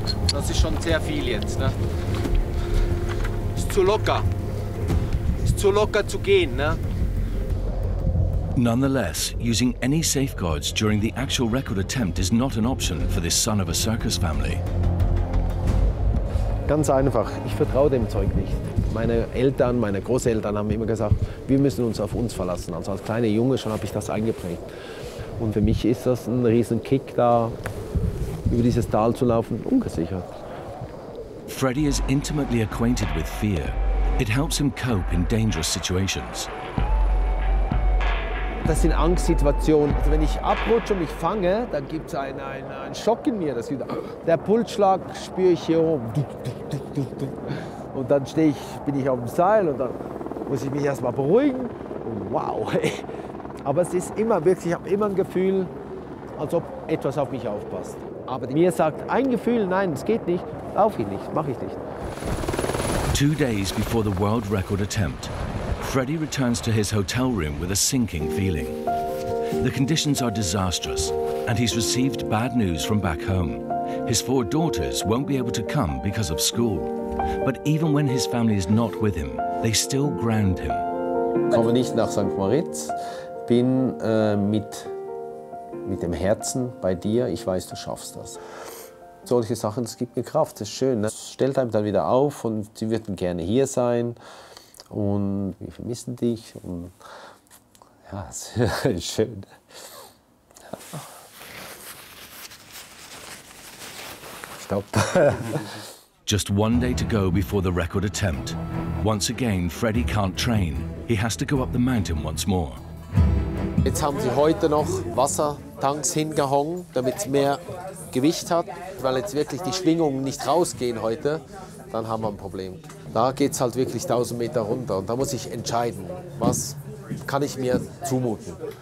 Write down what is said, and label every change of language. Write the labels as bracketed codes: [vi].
[de] Das ist schon sehr viel jetzt, ne? Ist zu locker. Ist zu locker zu gehen, ne? [en] Nonetheless, using any safeguards during the actual record attempt is not an option for this son of a circus family. [de] Ganz einfach, ich vertraue dem Zeug nicht. Meine Eltern, meine Großeltern haben immer gesagt, wir müssen uns auf uns verlassen. Also als kleiner Junge schon habe ich das eingeprägt. Und für mich ist das ein riesen Kick, da über dieses Tal zu laufen, ungesichert. [en] Freddy is intimately acquainted with fear. It helps him cope in dangerous situations. [de] Das sind Angstsituationen. Also wenn ich abrutsche und mich fange, dann gibt es einen Schock in mir. Der Pulsschlag spüre ich hier oben. Und dann bin ich auf dem Seil und dann muss ich mich erstmal beruhigen. Wow! Aber es ist immer wirklich, ich habe immer ein Gefühl, als ob etwas auf mich aufpasst. Aber mir sagt ein Gefühl, nein, es geht nicht, lauf ich nicht, mache ich nicht. [en] 2 days before the world record attempt, Freddy returns to his hotel room with a sinking feeling. The conditions are disastrous, and he's received bad news from back home. His 4 daughters won't be able to come because of school. But even when his family is not with him, they still ground him. [de] Ich komme nicht nach St. Moritz. Bin mit dem Herzen bei dir. Ich weiß, du schaffst das. Solche Sachen, das gibt mir Kraft, das ist schön. Ne? Stellt einem dann wieder auf und sie würden gerne hier sein. Und wir vermissen dich. Und ja, es ist schön. Stopp. [en] Just 1 day to go before the record attempt. Once again, Freddy can't train. He has to go up the mountain once more. [de] Jetzt haben sie heute noch Wassertanks hingehangen, damit es mehr Gewicht hat. Weil jetzt wirklich die Schwingungen nicht rausgehen heute, dann haben wir ein Problem. Da geht es halt wirklich 1000 Meter runter und da muss ich entscheiden, was kann ich mir zumuten.